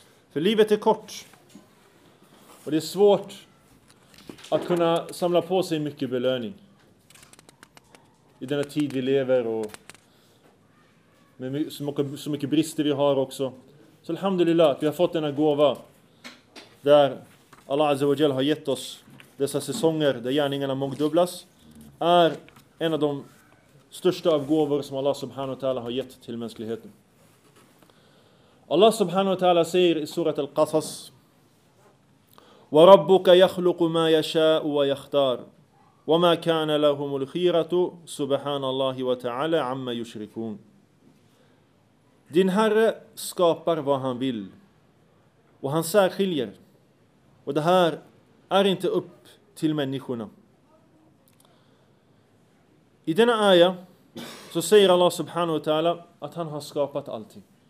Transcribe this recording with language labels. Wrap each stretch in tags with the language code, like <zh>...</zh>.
<sv>För livet är kort och det är svårt att kunna samla på sig mycket belöning i denna tid vi lever och med så mycket brister vi har också. Så alhamdulillah att vi har fått denna gåva där Allah azza wa jal har gett oss dessa säsonger där gärningarna mångdubblas, är en av de största av gåvor som Allah subhanahu wa ta'ala har gett till mänskligheten. Allah subhanahu wa ta'ala säger i surat Al-Qasas:</sv> <ar>وَرَبُّكَ يَخْلُقُ مَا يَشَاءُ وَيَخْتَارُ وَمَا كَانَ لَهُمُ الْخِيرَةُ سُبْحَانَ اللَّهِ وَتَعَالَى عَمَّ يُشْرِكُونَ.</ar> <sv>Din Herre skapar vad han vill och han särskiljer, och det här är inte upp till människorna. I denna aya så säger Allah subhanahu wa ta'ala att han har skapat allting.</sv>